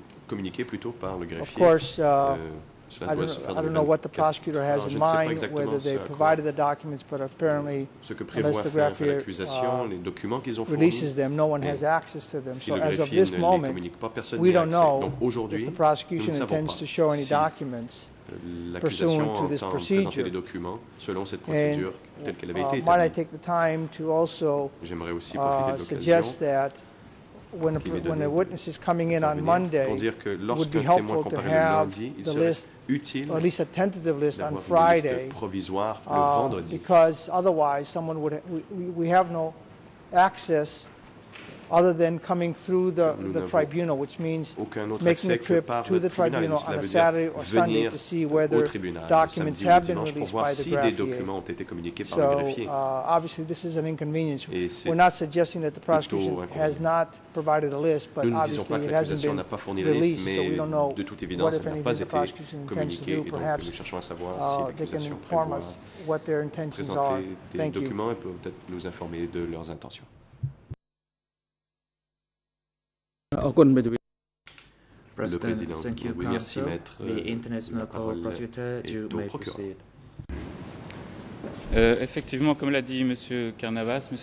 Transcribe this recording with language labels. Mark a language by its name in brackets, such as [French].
[English] Of course, I don't know what the prosecutor has in mind, whether they provided the documents, but apparently, unless the greffier releases them, no one has access to them. So as of this moment, we don't know if the prosecution intends to show any documents pursuant to this procedure. [French] Les documents selon cette procédure telle qu'elle avait été établie. [English] Might I take the time to also suggest that when a witness is coming in on Monday, it would be helpful to have the list, or at least a tentative list, on Friday, because otherwise someone would we have no access other than coming through the tribunal, which means making a trip to the tribunal on a Saturday or Sunday to see whether documents have been released by the greffier. So obviously this is an inconvenience. We're not suggesting that the prosecution has not provided a list, but obviously it hasn't been released, so we don't know what, if anything, the prosecution intends to do. Perhaps they can inform us what their intentions are. Thank you. [French] Documents et peut-être nous informer de leurs intentions. [English] President, thank you, Council. The international call prosecutor, you may proceed. [French] Effectivement, comme l'a dit M. Carnavas, M.